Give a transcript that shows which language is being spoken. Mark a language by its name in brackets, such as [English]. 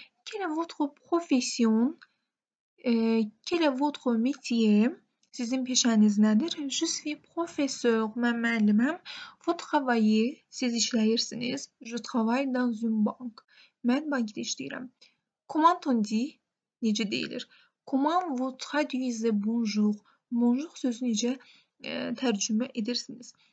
[French] Quelle est votre profession? Quelle est votre métier? [Azerbaijani] Sizin peşəniz nədir? [French] Je suis professeur, [Azerbaijani] mən müəlliməm. [French] Vous travaillez, [Azerbaijani] siz işləyirsiniz. [French] Je travaille dans une banque. [Azerbaijani] Mən bankda işləyirəm. [French] Comment on dit? [Azerbaijani] Necə deyilir? [French] Comment vous traduisez bonjour? [Azerbaijani] Bonjour sözünü tercüme edersiniz.